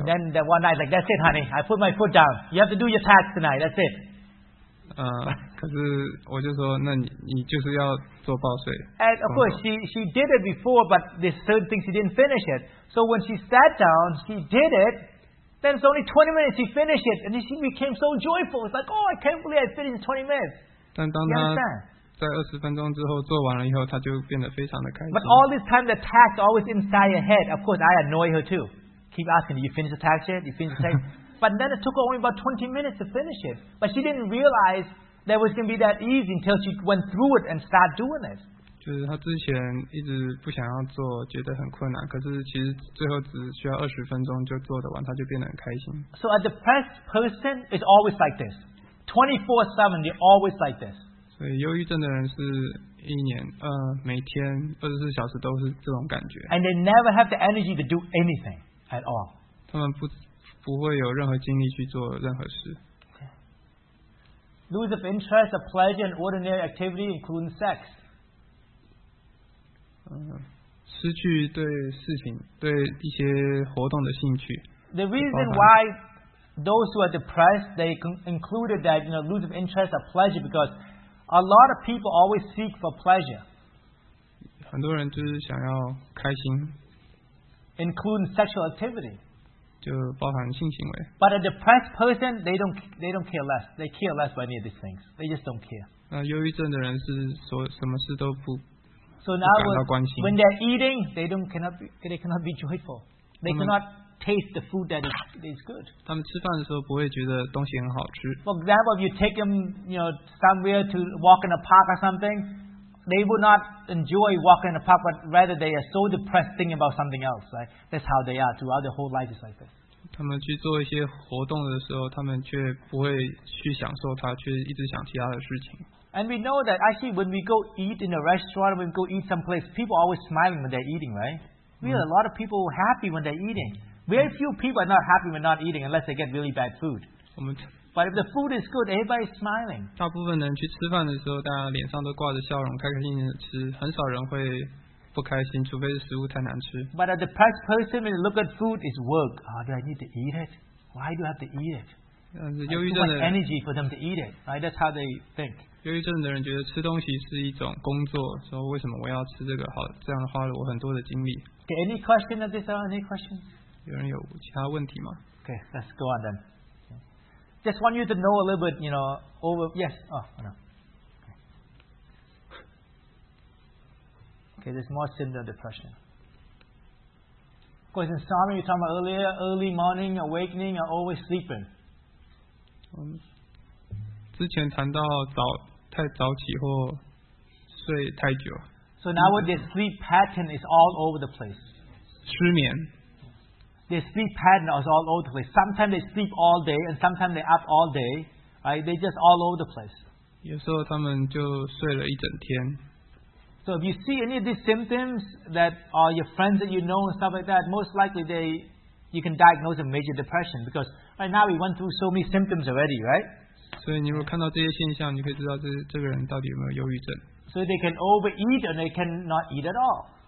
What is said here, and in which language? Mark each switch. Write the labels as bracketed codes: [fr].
[en] And then that one night, like that's it, honey. I put my foot down. You have to do your tax tonight. That's it. [zh] 可是我就说，那你就是要做报税。 [en] And of course, she did it before, but there's certain things she didn't finish it. So when she sat down, she did it. Then it's only 20 minutes, he finished it, and she became so joyful. It's like, oh, I can't believe I finished in 20 minutes. [zh] 但当他在20分钟之后做完了以后，他就变得非常的开心。 [en] But all this time, the task always inside your head. Of course, I annoy her too. Keep asking, you finish the task yet? You finish the task? But then it took her only about 20 minutes to finish it. But she didn't realize that it was going to be that easy until she went through it and started doing it. [zh] 就是他之前一直不想要做，觉得很困难。可是其实最后只需要20分钟就做得完，他就变得很开心。 [en] So a depressed person is always like this. 24/7, they're always like this. [zh] 所以忧郁症的人是一年，每天24小时都是这种感觉。 [en] And they never have the energy to do anything at all. [zh] 他们不会有任何精力去做任何事。 [en] Lose of interest, of pleasure, and ordinary activity, including sex. [zh] 失去对事情对一些活动的兴趣。 [en] The reason why those who are depressed, they included that, you know, lose of interest or pleasure, because a lot of people always seek for pleasure. [zh] 很多人就是想要开心。 [en] Including sexual activity. [zh] 就包含性行为。 [en] But a depressed person, they don't care less. They care less about any of these things. They just don't care. [zh] 忧郁症的人是说什么事都不。 [en] So now, when they're eating, they cannot be joyful. They cannot taste the food that is good. [zh] 他们吃饭的时候不会觉得东西很好吃。 [en] For example, if you take them, you know, somewhere to walk in a park or something, they would not enjoy walking in a park, but rather they are so depressed thinking about something else, right? That's how they are throughout their whole life is like this. [zh] 他们去做一些活动的时候，他们却不会去享受它，却一直想其他的事情。 [en] And we know that actually when we go eat in a restaurant, when we go eat someplace, people are always smiling when they're eating, right? Really, a lot of people are happy when they're eating. Very few people are not happy when not eating unless they get really bad food. [zh] 我们 [en] But if the food is good, everybody is smiling. [zh] 大部分人去吃饭的时候，大家脸上都挂着笑容，开开心心的吃，很少人会不开心，除非是食物太难吃。 [en] But a depressed person, when you look at food, is work. Ah,、oh, do I need to eat it? Why do I have to eat it? [zh] 忧郁症的 [en] energy for them to eat it. Right? That's how they think. [zh] 忧郁症的人觉得吃东西是一种工作，说为什么我要吃这个？好，这样花了我很多的精力。 [en] Okay, any question at this hour? Any question? [zh] 有人有其他问题吗？ [en] Okay, let's go on then. Just want you to know a little bit, you know, over, yes, oh, no. Okay, there's more syndrome depression. Of course, in Psalm, you were talking about earlier, early morning, awakening, or always sleeping. [zh] 之前谈到早太早起或睡太久。 [en] So nowadays, sleep pattern is all over the place. [zh] 失眠。 [en] Their sleep pattern is all over the place. Sometimes they sleep all day, and sometimes they up all day. Right? They're just all over the place. [zh] 有时候他们就睡了一整天。 [en] So if you see any of these symptoms that are your friends that you know and stuff like that, most likely they, you can diagnose a major depression because right now we went through so many symptoms already, right? [zh] 所以你如果看到这些现象，你可以知道这个人到底有没有忧郁症。 [en] So they can overeat and they cannot eat at all.